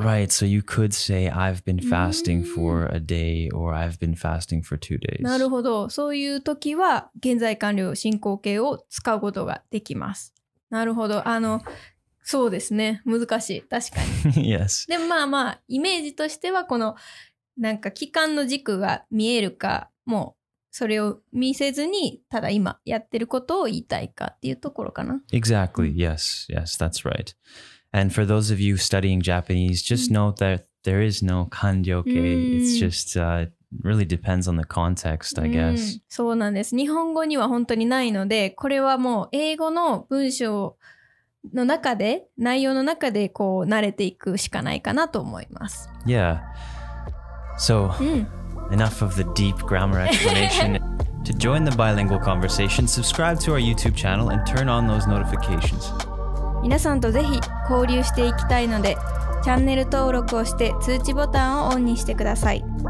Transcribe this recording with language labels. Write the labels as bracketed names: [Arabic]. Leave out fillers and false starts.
[English] Right. So you could say I've been fasting for a day or I've been fasting for 2 days. [Japanese] なるほど。そういう時は現在完了進行形を使うことができます。なるほど。あの、そうですね。難しい。確かに。 [English] yes. [Japanese] でもまあまあ、イメージとしては、この、なんか期間の軸が見えるか、もう、それを見せずに、ただ今やってることを言いたいかっていうところかな。 [English] Exactly. Yes. Yes. That's right. And for those of you studying Japanese, just note that there is no 完了形. It's just, really depends on the context, I guess. [Japanese] そうなんです。日本語には本当にないので、これはもう英語の文章の中で、内容の中でこう慣れていくしかないかなと思います。 [English] Yeah. So, enough of the deep grammar explanation. To join the bilingual conversation, subscribe to our YouTube channel and turn on those notifications. [Japanese] 皆さんとぜひ交流していきたいので、チャンネル登録をして通知ボタンをオンにしてください。